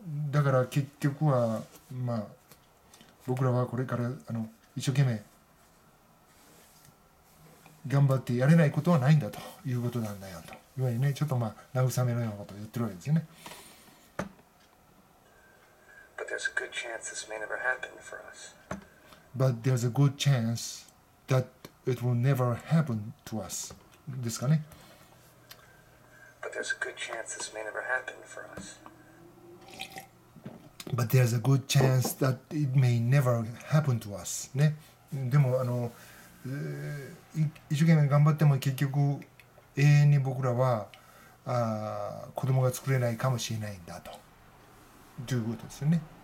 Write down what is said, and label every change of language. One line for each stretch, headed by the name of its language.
Japanese: だから結局は、まあ、僕らはこれからあの一生懸命頑張ってやれないことはないんだということなんだよと。いわゆるね、ちょっとまあ慰めのようなことを言ってるわけですよね。
English: But there's a good chance this may never happen for us. But there's a good chance. That it will never happen to us.
Japanese: ですかね。
English: But there's a good chance this may never happen for us. But there's a good chance that it may never happen to us.
Japanese: ね。でもあの、一生懸命頑張っても結局永遠に僕らは子供が作れないかもしれないんだと。ということですよね。